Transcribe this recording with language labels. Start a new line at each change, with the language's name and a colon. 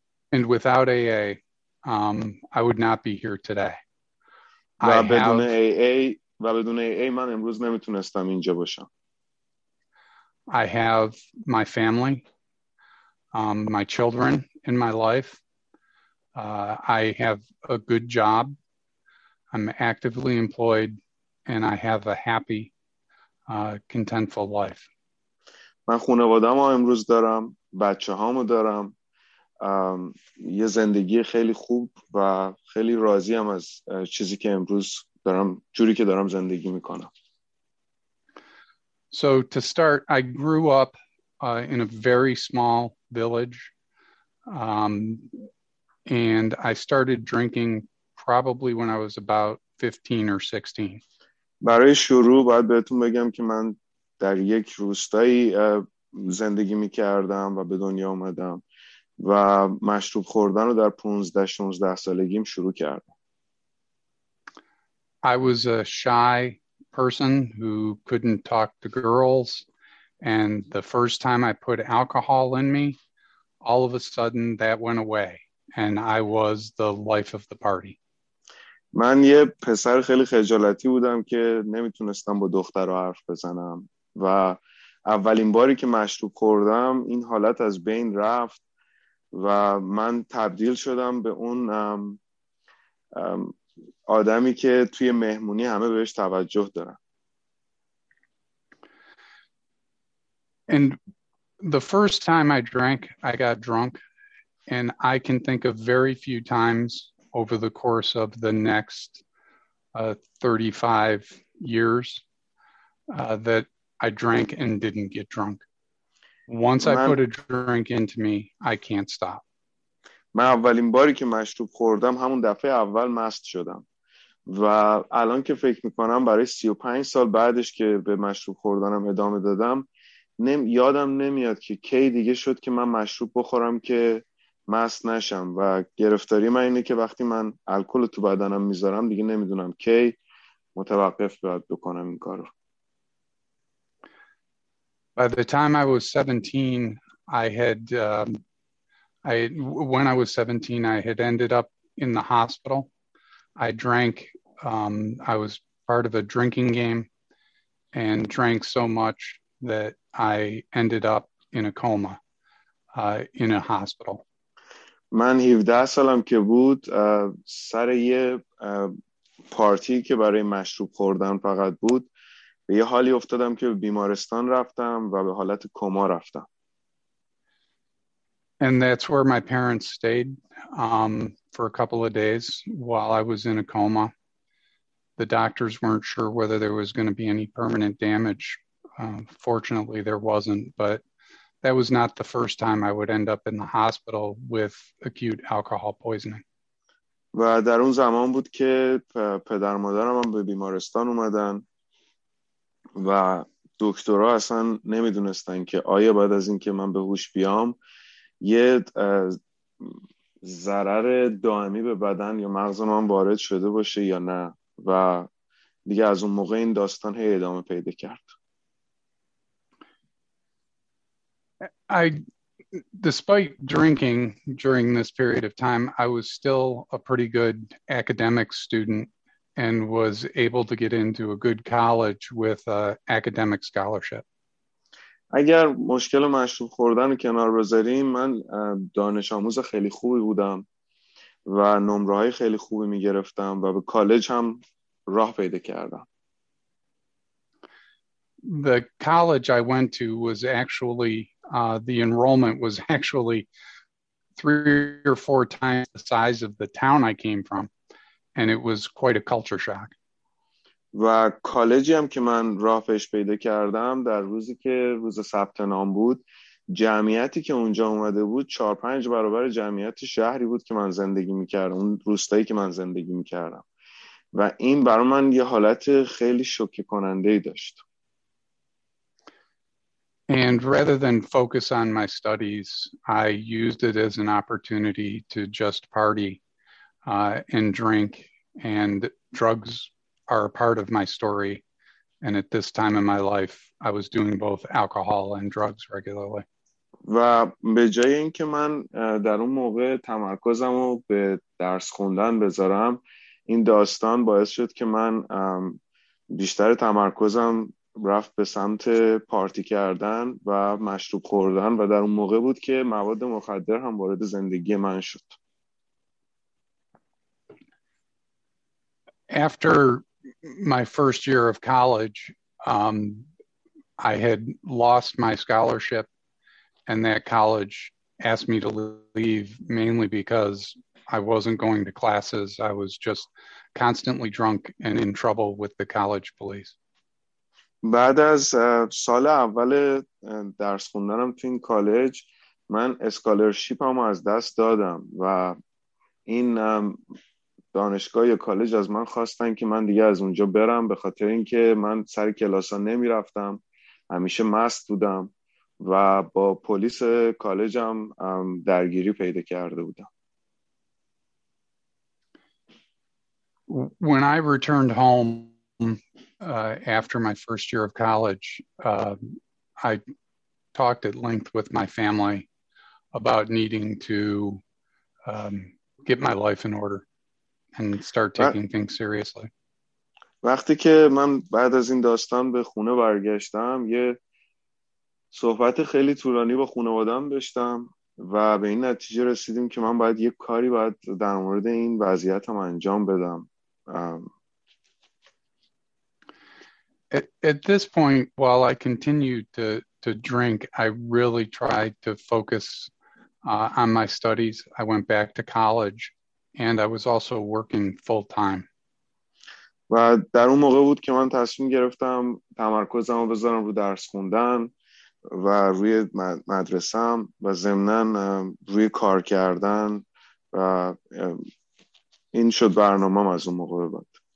English: And without AA, I would not be here today.
Persian: و بدون AA من امروز نمیتونستم اینجا باشم.
English: I have my family, my children in my life. I have a good job. I'm actively employed, and I have a happy, contentful life.
Persian: من خانواده‌ام رو امروز دارم، بچه‌هامو دارم. یه زندگی خیلی خوب و خیلی راضی ام از چیزی که امروز دارم، جوری که دارم زندگی میکنم.
English: So to start, I grew up in a very small village, and I started drinking probably when I was about 15 or 16.
Persian: برای شروع باید بهتون بگم که من در یک روستایی زندگی میکردم و به دنیا اومدم و مشروب خوردن رو در 15-16 سالگیم شروع کردم.
English: I was a shy person who couldn't talk to girls, and the first time I put alcohol in me, all of a sudden that went away, and I was the life of the party.
Persian: من یه پسر خیلی خجالتی بودم که نمیتونستم با دخترها حرف بزنم و اولین باری که مشروب خوردم این حالت از بین رفت و من تبدیل شدم به اون آدمی که توی مهمونی همه بهش توجه دارن.
English: And the first time I drank, I got drunk, and I can think of very few times over the course of the next 35 years that I drank and didn't get drunk. Once I put a drink into me, I can't stop.
Persian: من اولین باری که مشروب خوردم همون دفعه اول مست شدم. و الان که فکر میکنم برای 35 سال بعدش که به مشروب خوردنم ادامه دادم یادم نمیاد که کی دیگه شد که من مشروب بخورم که مست نشم. و گرفتاری من اینه که وقتی من الکل تو بدنم میذارم دیگه نمیدونم کی متوقف باید بکنم این کارو.
English: By the time I was 17, I had ended up in the hospital. I drank, I was part of a drinking game and drank so much that I ended up in a coma, in a hospital.
Persian: من 17 سالم که بود سر یه پارتی که برای مشروب خوردن فقط بود به یه حالی افتادم که بیمارستان رفتم و به حالت کما رفتم.
English: And that's where my parents stayed for a couple of days while I was in a coma. The doctors weren't sure whether there was going to be any permanent damage. Fortunately, there wasn't, but that was not the first time I would end up in the hospital with acute alcohol poisoning.
Persian: و در اون زمان بود که پدر مادرم به بیمارستان اومدن و دکترها اصلا نمیدونستن که آیا بعد از اینکه من به هوش بیام یه ضرر دائمی به بدن یا مغز من وارد شده باشه یا نه. و دیگه از اون موقع این داستان هی ادامه پیدا کرد.
English: I despite drinking during this period of time, I was still a pretty good academic student and was able to get into a good college with an academic scholarship.
Persian: اگر مشکل مشروب خوردن کنار بذاریم من دانش آموز خیلی خوبی بودم و نمره های خیلی خوبی می گرفتم و به کالج هم راه پیدا کردم.
English: The college I went to was actually the enrollment was actually 3 or 4 times the size of the town I came from, and it was quite a culture shock.
Persian: و کالجی هم که من راه پیش پیدا کردم در روزی که روز ثبت نام بود جمعیتی که اونجا اومده بود 4-5 برابر جمعیت شهری بود که من زندگی میکردم، اون روستایی که من زندگی میکردم، و این برای من یه حالت خیلی شوکه کننده ای داشت.
English: And rather than focus on my studies, I used it as an opportunity to just party and drink. And drugs are a part of my story. And at this time in my life, I was doing both alcohol and drugs regularly.
Persian: و به جای اینکه من در اون موقع تمرکزم رو به درس خوندن بذارم، این داستان باعث شد که من بیشتر تمرکزم رفت به سمت پارتی کردن و مشروب خوردن و در اون موقع بود که مواد مخدر هم وارد زندگی من شد.
English: After my first year of college, I had lost my scholarship, and that college asked me to leave mainly because I wasn't going to classes. I was just constantly drunk and in trouble with the college police.
Persian: بعد از سال اول درس خوندنم تو این کالج، من اسکالرشیپم از دست دادم و این دانشگاه یا کالج از من خواستن که من دیگه از اونجا برم، به خاطر اینکه من سر کلاس ها نمی رفتم، همیشه مست بودم و با پلیس کالجم درگیری پیدا کرده بودم.
English: When I returned home after my first year of college, I talked at length with my family about needing to get my life in order and start taking things seriously.
Persian: وقتی که من بعد از این داستان به خونه برگشتم، یه صحبت خیلی طولانی با خانواده‌ام داشتم و به این نتیجه رسیدیم که من باید یه کاری باید در مورد این وضعیتم انجام بدم.
English: At this point, while I continued to drink, I really tried to focus on my studies. I went back to college. And I was also working full time.
Persian: و در اون موقع بود که من تصمیم گرفتم تمرکزم رو بذارم رو درس خوندن و روی مدرسه‌ام و ضمناً روی کار کردن و این شد برنامه‌ام از اون موقع به بعد.